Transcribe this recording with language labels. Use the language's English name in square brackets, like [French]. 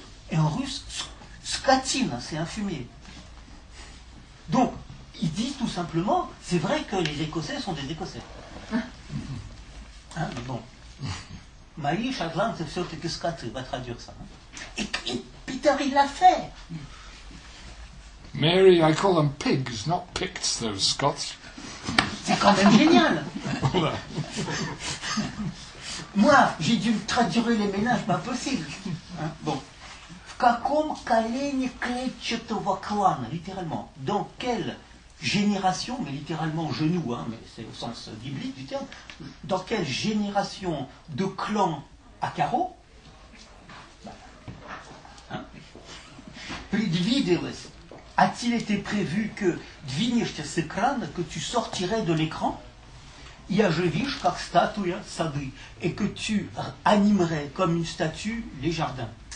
[French] Et en russe, скотина, c'est un fumier. Donc, ils disent tout simplement, c'est vrai que les Écossais sont des Écossais. Hein, bon. Marie, Chagrin, c'est sûr que ce qu'il va traduire ça. Et Peter, il l'a fait. [English] Mary, I call them pigs, not picts, those Scots. [French] C'est quand même génial. Moi, j'ai dû traduire les ménages, pas possible. Hein? Bon. [Russian] В каком колене клетчатого клана, [French] littéralement, dans quelle génération, mais littéralement genou, hein, mais c'est au sens biblique du terme, dans quelle génération de clan à carreaux, [Russian] предвиделось, [French] a-t-il été prévu que [Russian] двинешься с экрана, [French] que tu sortirais de l'écran, [Russian] я же вижу, как статуя сады, [French] et que tu animerais comme une statue les jardins.